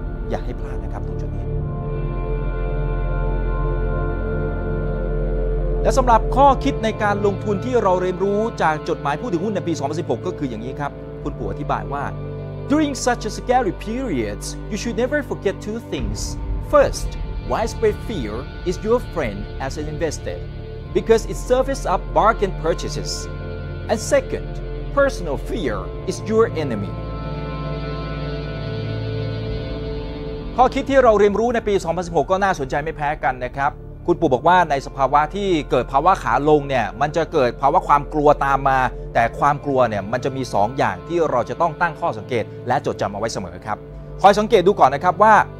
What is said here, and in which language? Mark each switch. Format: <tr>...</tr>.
<th>อย่าให้พลาดนะครับตรงจุดนี้และสำหรับข้อคิดในการลงทุนที่เราเรียนรู้จากจดหมายผู้ถือหุ้นในปี2016ก็คืออย่างนี้ครับคุณปู่อธิบายว่า</th> <en>During such a scary period, you should never forget two things. First, widespread fear is your friend as an investor, because it serves up bargain purchases. And second, personal fear is your enemy.</en> <th>ข้อคิดที่เราเรียนรู้ในปี2016ก็น่าสนใจไม่แพ้กันนะครับคุณปู่บอกว่าในสภาวะที่เกิดภาวะขาลงเนี่ยมันจะเกิดภาวะความกลัวตามมาแต่ความกลัวเนี่ยมันจะมี2อย่างที่เราจะต้องตั้งข้อสังเกตและจดจำเอาไว้เสมอครับคอยสังเกตดูก่อนนะครับว่า</th>